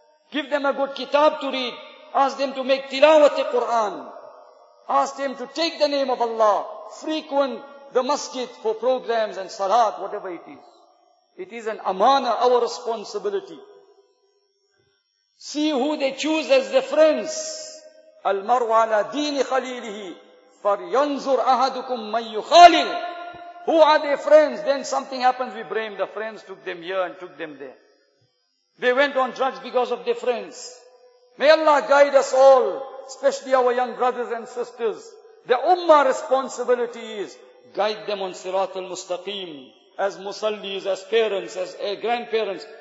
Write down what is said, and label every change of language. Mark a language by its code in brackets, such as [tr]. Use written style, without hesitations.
[en] Give them a good kitab to read. Ask them to make tilawat-e Quran. Ask them to take the name of Allah. Frequent the masjid for programs and salat, whatever it is. It is an amana, our responsibility. See who they choose as their friends. [ar] المرو على دين خليله فرينظر أحدكم من يخالل. [en] Who are their friends? Then something happens, we blame the friends, took them here and took them there. They went on drugs because of their friends. May Allah guide us all, especially our young brothers and sisters. The ummah responsibility is guide them on Sirat al-Mustaqim, as musallis, as parents, as grandparents.